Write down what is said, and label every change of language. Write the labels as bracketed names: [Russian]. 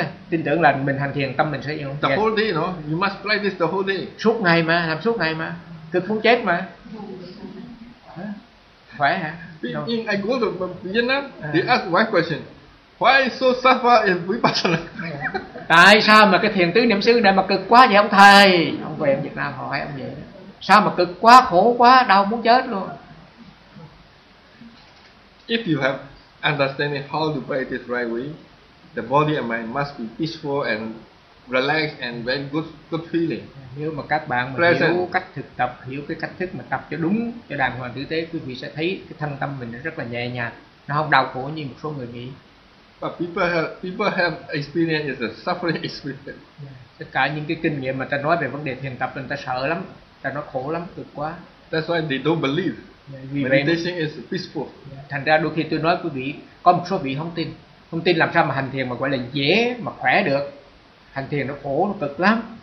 [Vietnamese] Tin tưởng là mình hành thiền tâm mình sẽ yên ổn. [English] The whole day, no? You must practice the whole day. [Vietnamese] Suốt ngày mà, làm suốt ngày mà. Cực muốn chết mà. Khỏe hả? [English] In, I go to Vietnam, they ask one question. Why so suffer in Vipassana? [Vietnamese] Tại sao mà cái thiền tứ niệm xứ này mà cực quá vậy ông thầy? Ông về Việt Nam hỏi ông vậy. Sao mà cực quá, khổ quá, đau muốn chết luôn. [English] If you have understanding how to practice right way, the body and mind must be peaceful and relaxed and very good feeling. [Vietnamese] Nếu mà các bạn mà hiểu cách thực tập, hiểu cái cách thức mà tập cho đúng, cho đàng hoàng tử tế, quý vị sẽ thấy cái thân tâm mình nó rất là nhẹ nhàng, nó không đau khổ như một số người nghĩ. [English] But people have experience is a suffering experience. [Vietnamese] Tất cả những cái kinh nghiệm mà ta nói về vấn đề thiền tập, người ta sợ lắm, ta nói khổ lắm, cực quá. [English] That's why they don't believe. Meditation is peaceful. [Vietnamese] Thành ra đôi khi tôi nói quý vị, có một số vị không tin. Không tin làm sao mà hành thiền mà gọi là dễ mà khỏe được. Hành thiền nó khổ, nó cực lắm.